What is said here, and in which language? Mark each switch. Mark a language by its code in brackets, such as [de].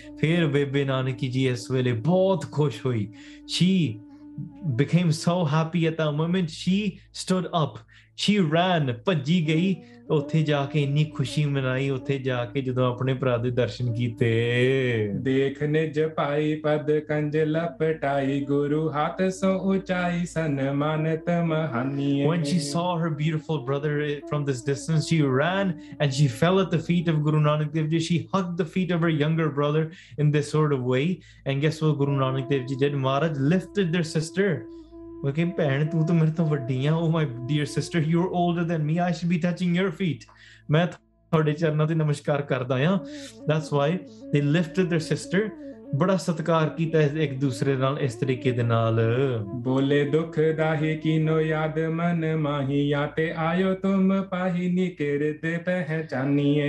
[pa] ਫਿਰ ਬੇਬੇ ਨਾਨਕੀ ਜੀ ਇਸ ਵੇਲੇ ਬਹੁਤ ਖੁਸ਼ ਹੋਈ, Shri [en] became so happy at that moment, she stood up, she ran, [pa] ਭੱਜੀ ਗਈ ਉੱਥੇ ਜਾ ਕੇ, ਇੰਨੀ ਖੁਸ਼ੀ ਮਨਾਈ ਉੱਥੇ ਜਾ ਕੇ ਜਦੋਂ ਆਪਣੇ ਭਰਾ ਦੇ ਦਰਸ਼ਨ ਕੀਤੇ। ਦੇਖ ਨਿਜ ਪਾਈ ਪਦ ਕੰਜ ਲਪਟਾਈ ਗੁਰੂ ਹੱਥ ਸੋ ਉਚਾਈ ਸਨਮਾਨਿਤ ਮਹਾਨੀ। [en] When she saw her beautiful brother from this distance, she ran and she fell at the feet of Guru Nanak Dev Ji. She hugged the feet of her younger brother in this sort of way. And guess what Guru Nanak Dev Ji did? Maharaj lifted their sister. [pa] ਕਿ ਭੈਣ ਤੂੰ ਤਾਂ ਮੇਰੇ ਤੋਂ ਵੱਡੀ ਆ, [en] oh my dear sister you are older than me, I should be touching your feet, [pa] ਮੈਂ ਤੁਹਾਡੇ ਚਰਨਾਂ ਤੇ ਨਮਸਕਾਰ ਕਰਦਾ ਆ। [en] that's why they lifted their sister, [pa] ਬੜਾ ਸਤਿਕਾਰ ਕੀਤਾ ਇੱਕ ਦੂਸਰੇ ਨਾਲ ਇਸ ਤਰੀਕੇ ਦੇ ਨਾਲ। ਬੋਲੇ ਦੁੱਖ ਦਾਹੀ ਕੀਨੋ ਯਾਦ ਮਨ ਮਾਹੀ ਯਾ ਤੇ ਆਇਓ ਤੁਮ ਪਾਹੀ ਨੀ ਕਿਰਤ ਪਹਿਚਾਨੀਏ।